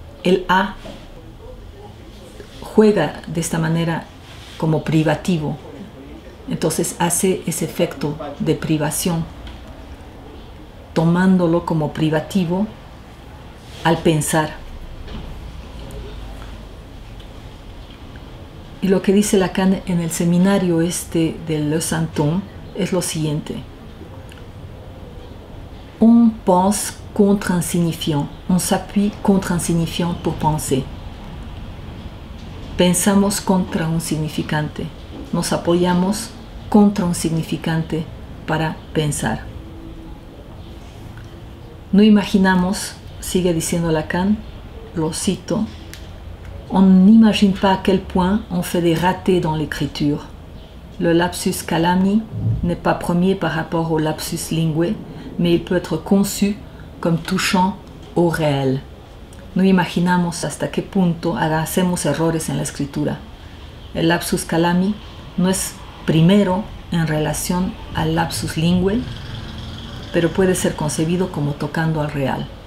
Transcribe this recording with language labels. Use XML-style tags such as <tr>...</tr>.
<es>El A juega de esta manera como privativo, entonces hace ese efecto de privación, tomándolo como privativo al pensar. Y lo que dice Lacan en el seminario este de Le Santon es lo siguiente:</es> <fr>on pense contre un signifiant, on s'appuie contre un signifiant pour penser.</fr> <es>Pensamos contra un significante, nos apoyamos contra un significante para pensar. No imaginamos, sigue diciendo Lacan, lo cito,</es> <fr>on n'imagine pas à quel point on fait des ratés dans l'écriture. Le lapsus calami n'est pas premier par rapport au lapsus lingué, mais il peut être conçu comme touchant au réel.</fr> <es>No imaginamos hasta qué punto hacemos errores en la escritura. El lapsus calami no es primero en relación al lapsus lingué, pero puede ser concebido como tocando al real.</es>